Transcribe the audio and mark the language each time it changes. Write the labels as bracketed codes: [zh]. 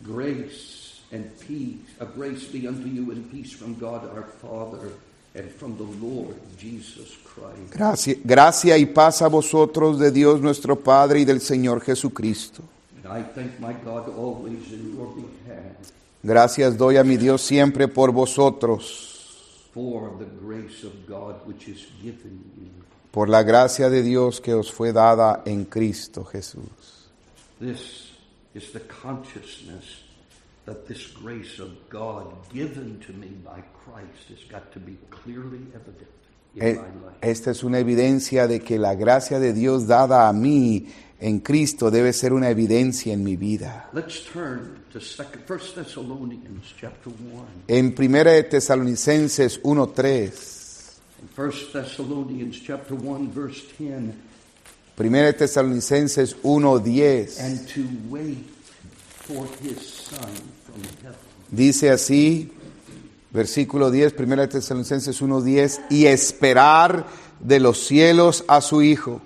[en] Grace and peace, a grace be unto you and peace from God our Father and from the Lord Jesus Christ. [es] Gracia y paz a vosotros de Dios nuestro Padre y del Señor Jesucristo. [en] And I thank my God always in your behalf. [es] Gracias doy a mi Dios siempre por vosotros. [en] For the grace of God which is given you. [es] Por la gracia de Dios que os fue dada en Cristo Jesús. [en] This is the consciousness that this grace of God given to me by Christ has got to be clearly evident in my life. [es] Esta es una evidencia de que la gracia de Dios dada a mí en Cristo debe ser una evidencia en mi vida. [en] Let's turn to 1 Thessalonians chapter 1. [es] En 1 Tesalonicenses 1:3. [en] 1 Thessalonians chapter 1 verse 10. [es] Primera Tesalonicenses 1:10. [en] And to wait for his son from heaven. [es] Dice así, versículo 10, Primera Tesalonicenses 1:10, y esperar de los cielos a su hijo.